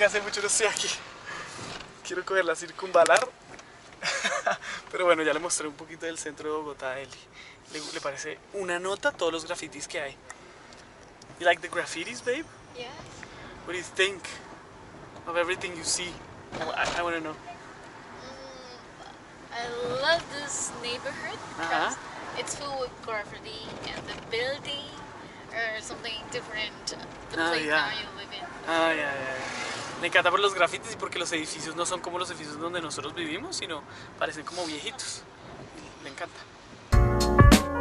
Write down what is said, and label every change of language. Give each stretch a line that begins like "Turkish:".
Spanish: Yo no estoy aquí, quiero coger la circunvalar, pero bueno, ya le mostré un poquito del centro de Bogotá a Eli. ¿Le parece una nota todos los grafitis que hay?
English: You like the graffitis, babe? Yes. What do you think of everything you see? I want to know. I love this neighborhood because it's full with graffiti and the building or something different the place yeah. Now you live in.
Spanish: Me encanta por los grafitis y porque los edificios no son como los edificios donde nosotros vivimos, sino parecen como viejitos. Me encanta.